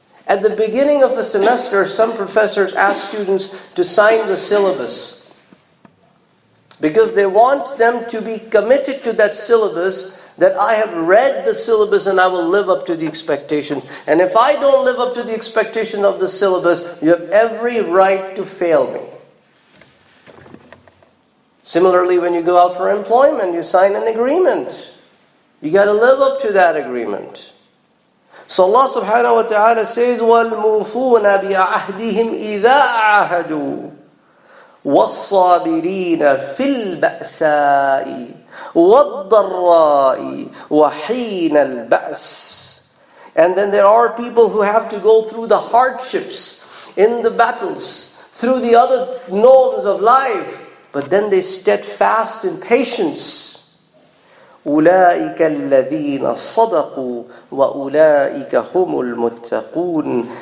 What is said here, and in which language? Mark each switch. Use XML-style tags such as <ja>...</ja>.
<en>At the beginning of a semester, some professors ask students to sign the syllabus because they want them to be committed to that syllabus, that I have read the syllabus and I will live up to the expectations. And if I don't live up to the expectation of the syllabus, you have every right to fail me. Similarly, when you go out for employment, you sign an agreement. You got to live up to that agreement. So Allah subhanahu wa ta'ala says,</en> <ar>وَالْمُوفُونَ بِعَهْدِهِمْ إِذَا عَهَدُوا وَالصَّابِرِينَ فِي الْبَأْسَاءِ وَالضَّرَّاءِ وَحِينَ الْبَأْسِ.</ar> <en>And then there are people who have to go through the hardships in the battles, through the other norms of life. But then they steadfast in patience.</en> <ar>أُولَٰئِكَ الَّذِينَ صَدَقُوا وَأُولَٰئِكَ هُمُ الْمُتَّقُونَ.</ar>